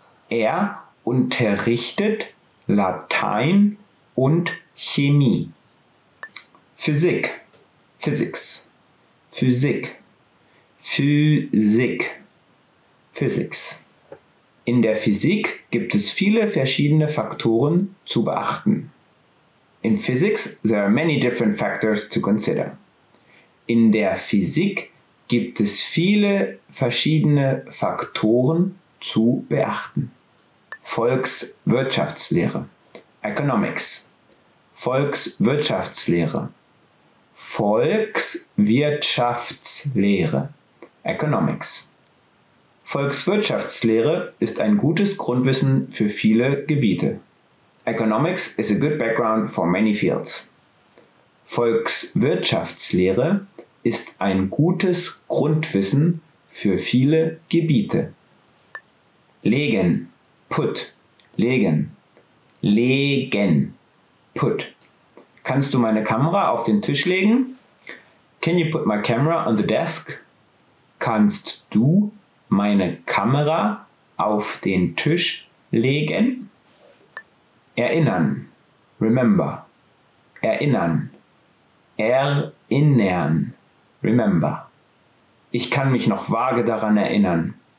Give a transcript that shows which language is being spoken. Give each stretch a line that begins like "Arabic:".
German: Er unterrichtet Latein und Chemie. Physik. Physics. Physik. Physik. Physics. In der Physik gibt es viele verschiedene Faktoren zu beachten.
English: In physics, there are many different factors to consider.
German: In der Physik gibt es viele verschiedene Faktoren zu beachten. Volkswirtschaftslehre. Economics. Volkswirtschaftslehre. Volkswirtschaftslehre. Economics. Volkswirtschaftslehre ist ein gutes Grundwissen für viele Gebiete.
English: Economics is a good background for many fields.
German: Volkswirtschaftslehre ist ein gutes Grundwissen für viele Gebiete. Legen. Put. Legen. Legen. Put. Kannst du meine Kamera auf den Tisch legen?
English: Can you put my camera on the desk?
German: Kannst du meine Kamera auf den Tisch legen? Erinnern. Remember. Erinnern. Erinnern. Remember. Ich kann mich noch vage daran erinnern.